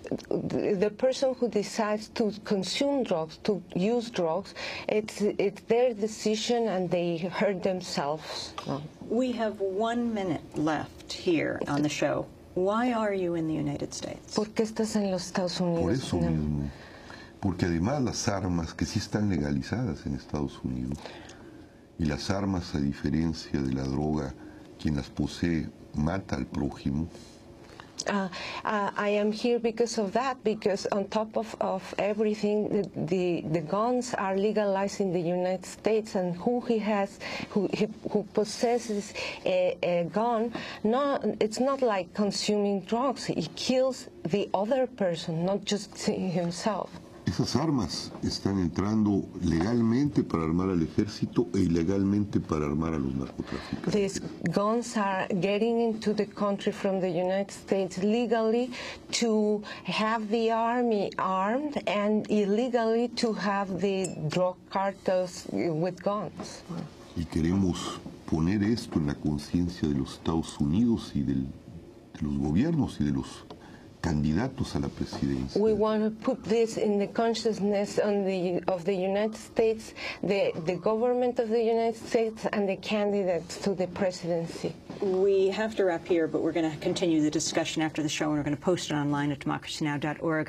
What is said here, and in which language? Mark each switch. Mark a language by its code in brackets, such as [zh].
[en] The person who decides to consume drugs, to use drugs, it's their decision and they hurt themselves. We have 1 minute left here on the show. Why are you in the United States? [es] ¿Por qué estás en los Estados Unidos? Por eso mismo. Porque además las armas, que sí están legalizadas en Estados Unidos, y las armas, a diferencia de la droga, quien las posee mata al prójimo. [en] I am here because of that, because on top of everything, the guns are legalized in the United States, and who possesses a gun, it's not like consuming drugs. He kills the other person, not just himself. [es] Esas armas están entrando legalmente para armar al ejército e ilegalmente para armar a los narcotraficantes. [en] These guns are getting into the country from the United States legally to have the army armed and illegally to have the drug cartels with guns. [es] Y queremos poner esto en la conciencia de los Estados Unidos y de los gobiernos y de los candidatos a la presidencia. [en] We want to put this in the consciousness of the United States, the government of the United States, and the candidates to the presidency. We have to wrap here, but we're going to continue the discussion after the show, and we're going to post it online at democracynow.org.